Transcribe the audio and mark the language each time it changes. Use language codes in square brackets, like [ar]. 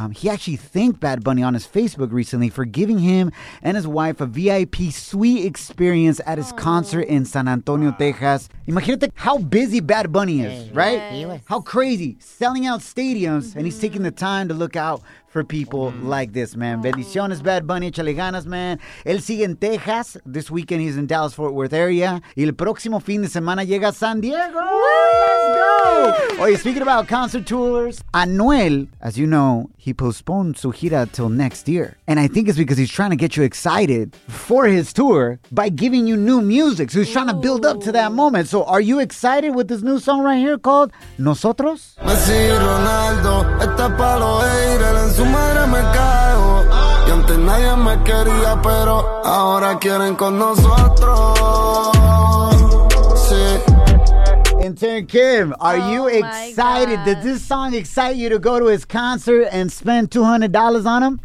[en] He actually thanked Bad Bunny on his Facebook recently for giving him and his wife a VIP suite experience at his concert in San Antonio, Texas. Imagínate how busy Bad Bunny is, right? How crazy. Selling out stadiums, and he's taking the time to look out for people like this, man. [es] Bendiciones, Bad Bunny. Échale ganas, man. Él sigue en Texas. [en] This weekend, he's in Dallas-Fort Worth area. [es] Y el próximo fin de semana llega a San Diego. [en] Oye, speaking about concert tours, Anuel, as you know, he postponed [es] su gira [en] till next year. And I think it's because he's trying to get you excited for his tour by giving you new music. So he's trying to build up to that moment. So are you excited with this new song right here called Nosotros? [es] Messi Ronaldo, esta palo, hey, en su madre me cago. Y antes nadie me quería, pero ahora quieren con nosotros. Sí. [en] And Tan Kim, are you excited? Does this song excite you to go to his concert and spend $200 on him?